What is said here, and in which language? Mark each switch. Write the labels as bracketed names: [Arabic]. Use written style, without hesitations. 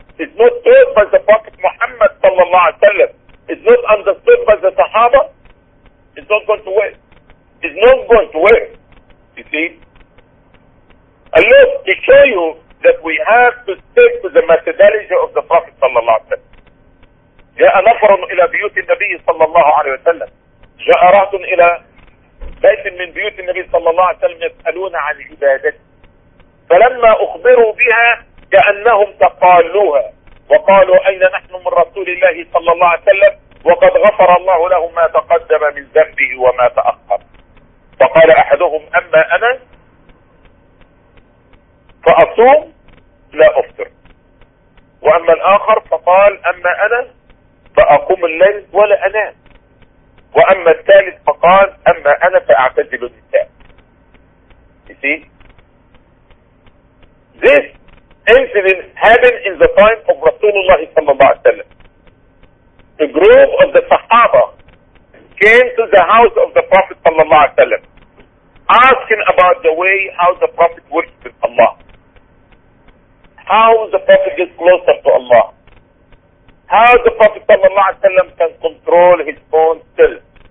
[English] It's not taught by the Prophet Muhammad sallallahu alaihi wasallam. It's not understood by the Sahaba. It's not going to work. It's not going to work. You see? And look, to show you that we have to stick to the methodology of the Prophet sallallahu alayhi wa sallam. [Arabic] جاء نفر إلى بيوت النبي صلى الله عليه وسلم. جاء رات إلى بيت من بيوت النبي صلى الله عليه وسلم يسألون عن عبادته. فلما أخبروا بها كأنهم تقالوها. وقالوا أين نحن من رسول الله صلى الله عليه وسلم؟ وقد غفر الله له ما تقدم من ذنبه وما تأخر. فقال أحدهم أما أنا فأصوم لا أفطر. وأما الآخر فقال أما أنا فأقوم الليل ولا أنام. وأما الثالث فقال أما أنا فأعتزل النساء. [English] see, this incident happened in the time of Rasulullah sallallahu alaihi wasallam. A group of the Sahaba came to the house of the Prophet sallallahu alaihi wasallam, asking about the way how the Prophet worshipped Allah, how the Prophet gets closer to Allah, how the Prophet sallallahu alaihi wasallam can control his own self.